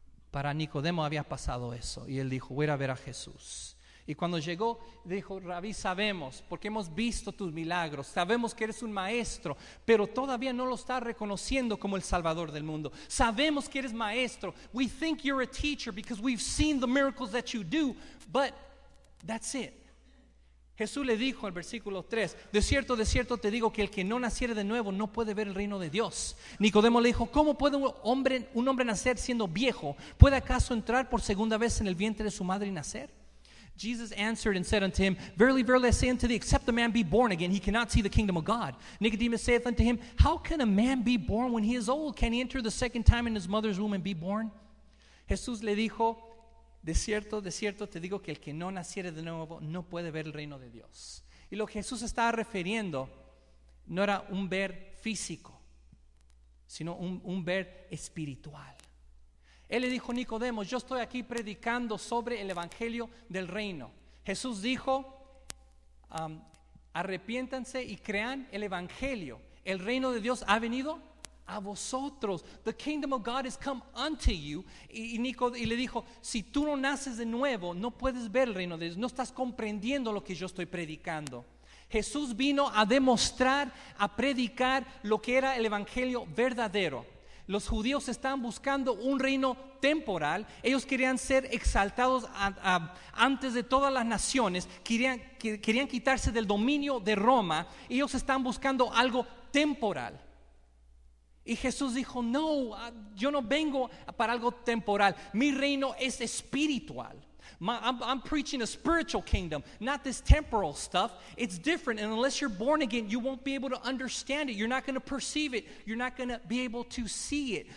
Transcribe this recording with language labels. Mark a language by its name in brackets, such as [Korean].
[Spanish] Para Nicodemo había pasado eso, y él dijo, voy a ver a Jesús. Y cuando llegó, dijo, Rabí, sabemos, porque hemos visto tus milagros, sabemos que eres un maestro, pero todavía no lo estás reconociendo como el Salvador del mundo. Sabemos que eres maestro. [English] We think you're a teacher because we've seen the miracles that you do, but that's it. [Spanish] Jesús le dijo en el versículo 3, de cierto te digo que el que no naciere de nuevo no puede ver el reino de Dios. Nicodemo le dijo, ¿cómo puede un hombre nacer siendo viejo? ¿Puede acaso entrar por segunda vez en el vientre de su madre y nacer? [English] Jesus answered and said unto him, Verily, verily, I say unto thee, except a man be born again, he cannot see the kingdom of God. Nicodemus saith unto him, How can a man be born when he is old? Can he enter the second time in his mother's womb and be born? [Spanish] Jesús le dijo, de cierto, te digo que el que no naciere de nuevo no puede ver el reino de Dios. Y lo que Jesús estaba refiriendo no era un ver físico, sino un ver espiritual. Él le dijo, Nicodemo, yo estoy aquí predicando sobre el evangelio del reino. Jesús dijo, arrepiéntanse y crean el evangelio. El reino de Dios ha venido a vosotros. [English] The kingdom of God has come unto you. [Spanish] Y le dijo, si tú no naces de nuevo, no puedes ver el reino de Dios. No estás comprendiendo lo que yo estoy predicando. Jesús vino a demostrar, a predicar lo que era el evangelio verdadero. Los judíos estaban buscando un reino temporal. Ellos querían ser exaltados antes de todas las naciones. Querían quitarse del dominio de Roma. Ellos estaban buscando algo temporal. Y Jesús dijo, no, yo no vengo para algo temporal. Mi reino es espiritual. [English] I'm preaching a spiritual kingdom, not this temporal stuff. It's different. And unless you're born again, you won't be able to understand it. You're not going to perceive it. You're not going to be able to see it.